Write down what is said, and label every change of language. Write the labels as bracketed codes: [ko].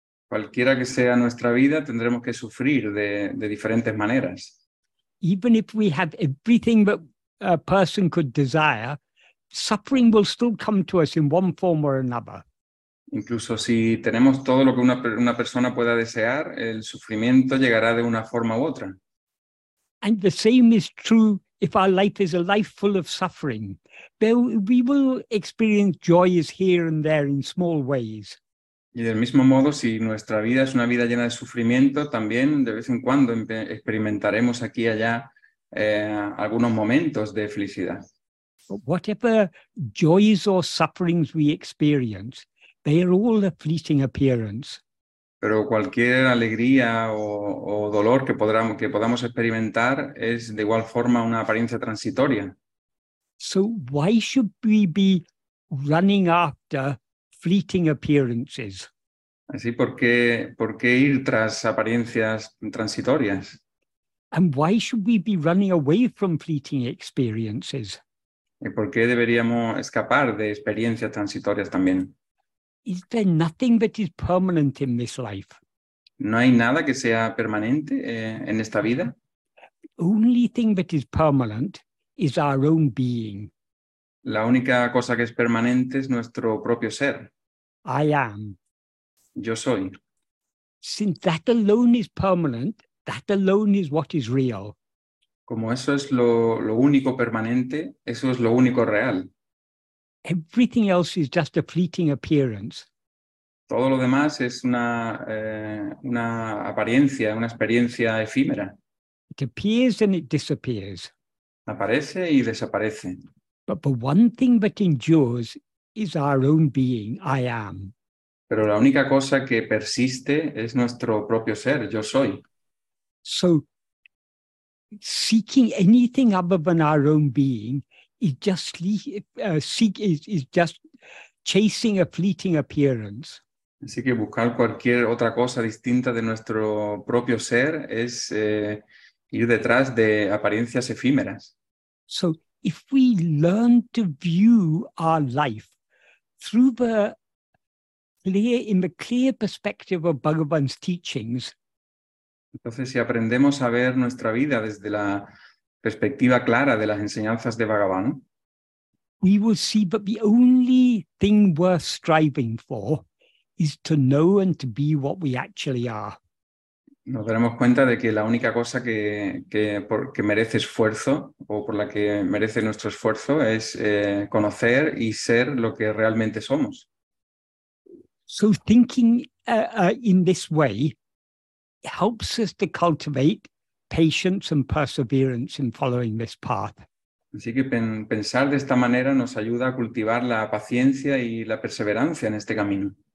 [es] Cualquiera que sea nuestra vida, tendremos que sufrir de diferentes maneras. [en] Even if we have everything that a person could desire, suffering will still come to us in one form or another. [es] Incluso si tenemos todo lo que una persona pueda desear, el sufrimiento llegará de una forma u otra. [en] And the same is true if our life is a life full of suffering. We will experience joys here and there in small ways. [es] Y del mismo modo, si nuestra vida es una vida llena de sufrimiento, también de vez en cuando experimentaremos aquí y allá algunos momentos de felicidad. [en] But whatever joys or sufferings we experience, they are all a fleeting appearance. [es] Pero cualquier alegría o dolor que podamos experimentar es de igual forma una apariencia transitoria. [en] So why should we be running after fleeting appearances? [es] Así, ¿por qué ir tras apariencias transitorias? [en] And why should we be running away from fleeting experiences? [es] ¿Y por qué deberíamos escapar de experiencias transitorias también? [en] Is there nothing that is permanent in this life? [es] ¿No hay nada que sea permanente en esta vida? [en] The only thing that is permanent is our own being. [es] La única cosa que es permanente es nuestro propio ser. [en] I am. [es] Yo soy. [en] Since that alone is permanent, that alone is what is real. [es] Como eso es lo único permanente, eso es lo único real. [en] Everything else is just a fleeting appearance. [es] Todo lo demás es una apariencia, una experiencia efímera. [en] It appears and it disappears. [es] Aparece y desaparece. [en] But the one thing that endures is our own being, I am. [es] Pero la única cosa que persiste es nuestro propio ser, yo soy. [en] So, seeking anything other than our own being is just chasing a fleeting appearance. [es] Así que buscar cualquier otra cosa distinta de nuestro propio ser es ir detrás de apariencias efímeras. [en] So if we learn to view our life through the clear perspective of Bhagavan's teachings. [es] Entonces, si aprendemos a ver nuestra vida desde la perspectiva clara de las enseñanzas de Bhagavan, [en] we will see that the only thing worth striving for is to know and to be what we actually are. [es] Nos daremos cuenta de que la única cosa que merece esfuerzo o por la que merece nuestro esfuerzo es conocer y ser lo que realmente somos. [en] So thinking in this way helps us to cultivate patience and perseverance in following this path. [es] Así que pensar de esta manera nos ayuda a cultivar la paciencia y la perseverancia en este camino.